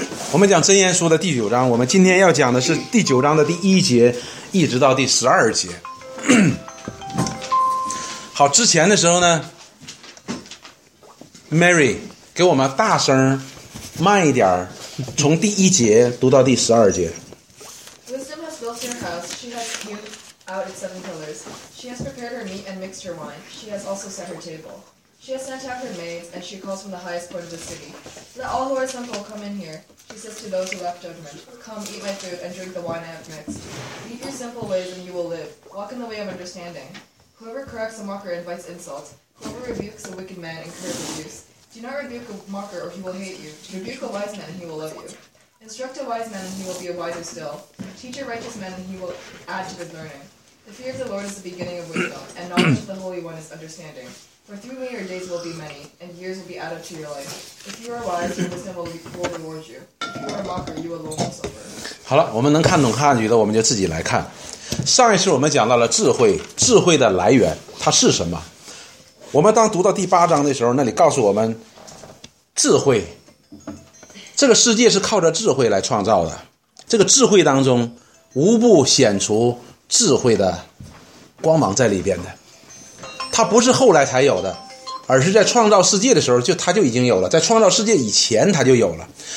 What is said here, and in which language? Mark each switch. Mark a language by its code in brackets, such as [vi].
[zh] 我们讲箴言书的第九章，我们今天要讲的是第九章的第一节一直到第十二节。好，之前的时候呢， Mary 给我们大声慢一点，从第一节读到第十二节。 [en] Wisdom has built her house. She has hewed out its seven pillars. She has prepared her meat and mixed her wine. She has also set her table. She has sent out her maids, and she calls from the highest point of the city. Let all who are simple come in here. She says to those who lack judgment, Come, eat my food and drink the wine I have mixed. Leave your simple ways and you will live. Walk in the way of understanding. Whoever corrects a mocker invites insult. Whoever rebukes a wicked man incurs abuse. Do not rebuke a mocker, or he will hate you. Rebuke a wise man, and he will love you. Instruct a wise man, and he will be a wiser still. Teach a righteous man, and he will add to his learning. The fear of the Lord is the beginning of wisdom, and knowledge of the Holy One is understanding. For 3 years your days will be many, and years will be added to your life. If you are wise, your wisdom will reward you. If you are a mocker, you alone will suffer. [zh] 好了，我们能看懂汉语的，我们就自己来看。上一次我们讲到了智慧，智慧的来源，它是什么？我们当读到第八章的时候，那里告诉我们智慧，这个世界是靠着智慧来创造的，这个智慧当中无不显出智慧的光芒在里边的，它不是后来才有的，而是在创造世界的时候就它就已经有了，在创造世界以前它就有了。